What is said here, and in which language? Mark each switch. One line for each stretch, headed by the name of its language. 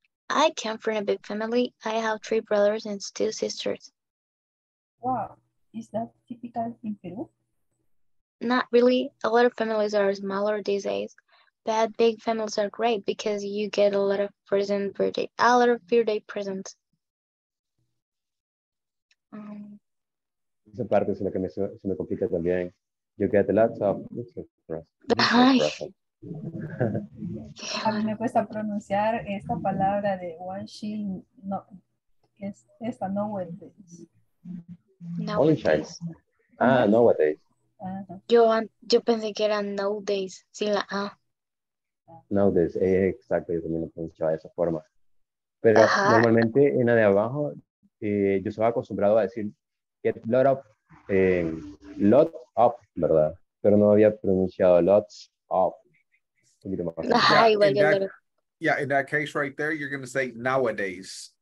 English: I come from a big family. I have 3 brothers and 2 sisters. Wow, is that typical in Peru? Not really. A lot of families are smaller these days, but big families are great because you get a lot of birthday presents.
Spanish: Esa parte es la que se me complica también.
English: You get lots of presents.
Spanish: A mí me cuesta pronunciar esta palabra de one shield, no, que es esta, nowadays.
English: Only child. Ah, nowadays.
Spanish: Yo pensé que era nowadays, sin la A. Nowadays, exacto, yo también lo pronunciaba de esa forma. Pero normalmente en la de abajo, yo estaba acostumbrado a decir
English: get lot of, lot of,
Spanish: ¿verdad? Pero no había pronunciado lots of.
English: In that case right there, you're going to say nowadays.